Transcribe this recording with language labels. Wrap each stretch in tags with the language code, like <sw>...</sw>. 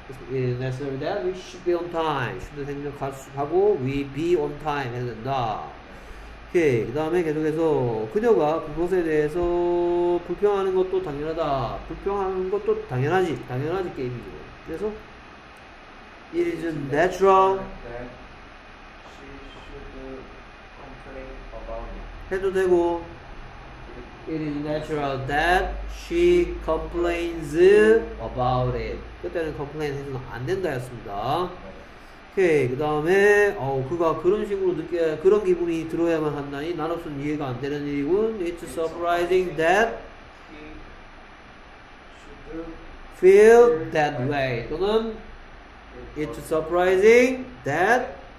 <en>It is necessary that we should be on time.</en> <ko>should 생략하고 we be on time 해야 된다. 오케이. 그 다음에 계속해서 그녀가 그것에 대해서 불평하는 것도 당연하다. 불평하는 것도 당연하지. 당연하지 게임이죠. 그래서</ko> <en>it is natural that she should complain about it. 해도 되고 It is natural that she complains about it.</en> <ko>그때는 complain 해서는 안 된다였습니다. 오케이. 그 다음에, 그가 그런 식으로 느껴야, 그런 기분이 들어야만 한다니, 나로서는 이해가 안 되는 일이군.</ko> <en>It's surprising that he should feel that way. 또는, It's surprising that</en>